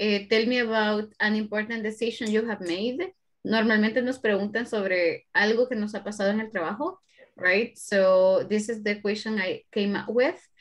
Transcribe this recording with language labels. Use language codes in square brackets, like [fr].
[en] Tell me about an important decision you have made. [es] Normalmente nos preguntan sobre algo que nos ha pasado en el trabajo, right? [en] So, this is the question I came up with.